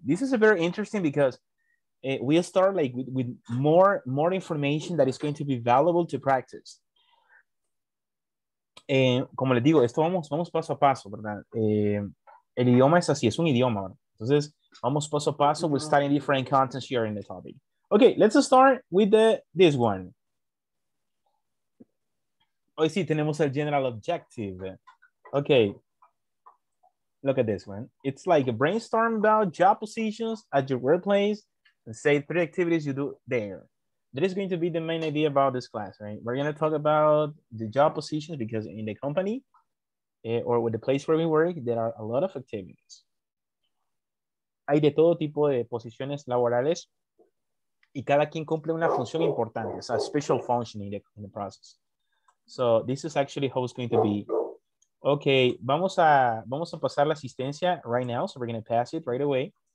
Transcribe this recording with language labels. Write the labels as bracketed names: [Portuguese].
[English] This is a very interesting because we'll start like with more information that is going to be valuable to practice. [Spanish] Como les digo, esto vamos paso a paso, ¿verdad? El idioma es así, es un idioma, ¿verdad? Entonces, vamos paso a paso [English] with studying different content here in the topic. Okay, let's start with this one. [Spanish] Hoy sí, tenemos el [English] general objective. Okay. Look at this one. It's like a brainstorm about job positions at your workplace. And say three activities you do there. That is going to be the main idea about this class, right? We're going to talk about the job positions because in the company or with the place where we work, there are a lot of activities. [Spanish] Hay de todo tipo de posiciones laborales y cada quien cumple una función importante. [English] It's a special function in the process. So this is actually how it's going to be. Okay, [Spanish] vamos a pasar la asistencia [English] right now. So we're going to pass it right away.